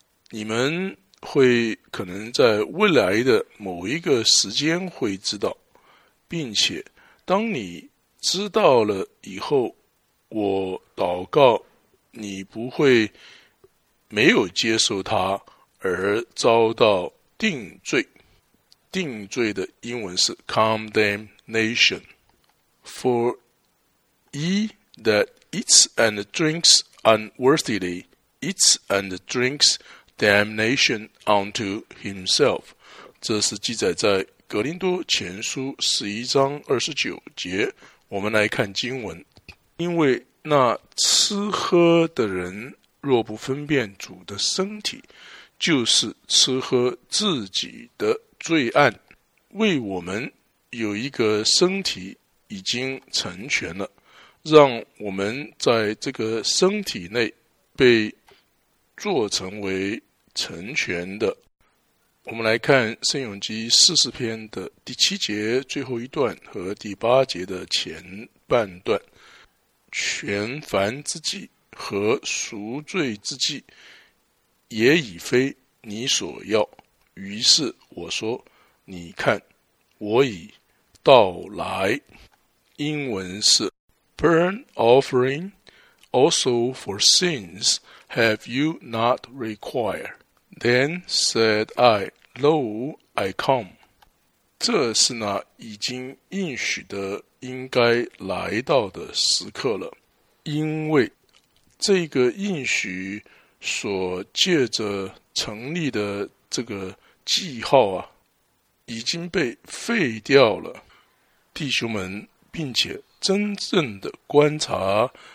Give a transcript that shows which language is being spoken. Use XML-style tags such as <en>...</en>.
<zh>你们会可能在未来的某一个时间会知道，并且当你知道了以后，我祷告你不会没有接受它而遭到定罪。定罪的英文是 condemnation。</zh> <en>For he that eats and drinks unworthily eats and drinks damnation unto himself.</en> <zh>这是记载在格林多前书11:29。我们来看经文，因为那吃喝的人若不分辨主的身体，就是吃喝自己的罪案。为我们有一个身体已经成全了，让我们在这个身体内被做成为成全的。我们来看圣咏集40篇的第7节最后一段和第8节的前半段。全凡之祭和赎罪之祭也已非你所要，于是我说，你看，我已到来。英文是</zh> <en>Burn offering also for sins have you not required? Then said I, Lo, I come.</en> <zh>这是那已经应许的应该来到的时刻了，因为这个应许所借着成立的这个记号啊，已经被废掉了，弟兄们，并且真正的观察</zh>